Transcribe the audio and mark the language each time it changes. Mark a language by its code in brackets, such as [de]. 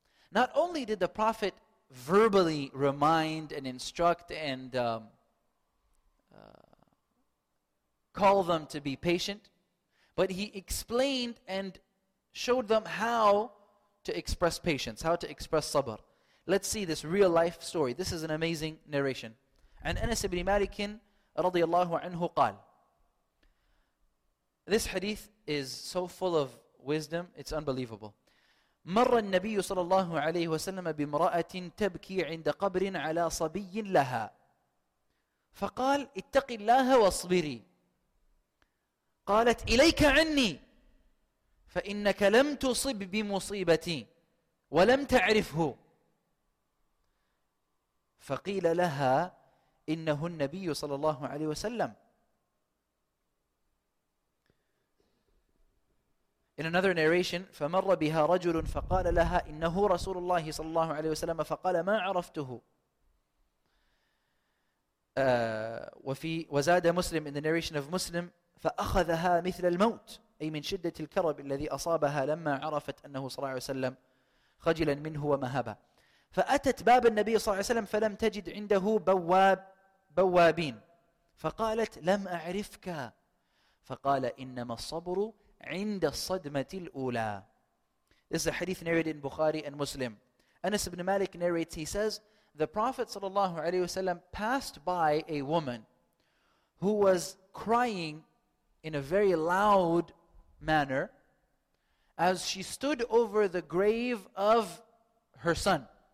[en] Not only did the Prophet verbally remind and instruct and call them to be patient, but he explained and showed them how to express patience, how to express sabr. Let's see this real life story. This is an amazing narration. [ar] عن أنس بن مالك رضي الله عنه قال. [en] This hadith is so full of wisdom, it's unbelievable. [ar] مر النبي صلى الله عليه وسلم بامرأة تبكي عند قبر على صبي لها فقال اتق الله واصبري قالت إليك عني فإنك لم تصب بمصيبتي ولم تعرفه فقيل لها إنه النبي صلى الله عليه وسلم. [en] In another narration, [ar] فَمَرَّ بِهَا رَجُلٌ فَقَالَ لَهَا إِنَّهُ رَسُولُ اللَّهِ صَلَى اللَّهُ عَلَيْهِ وَسَلَّمَ فَقَالَ مَا عَرَفْتُهُ. وَزَادَ مُسْلِمٌ. [en] In the narration of Muslim, [ar] فَأَخَذَهَا مِثْلَ الْمَوْتِ أي من شدة الكرب الذي أصابها لما عرفت أنه صلى الله عليه وسلم خجلا منه ومهابا. فأتت باب النبي صلى الله عليه وسلم فلم تجد عنده بوابين فقالت لم أعرفك فقال إنما الصبر عند الصدمة الأولى. [en] This is a hadith narrated in Bukhari and Muslim. Anas ibn Malik narrates, he says, the Prophet sallallahu alayhi wasallam passed by a woman who was crying in a very loud manner as she stood over the grave of her son.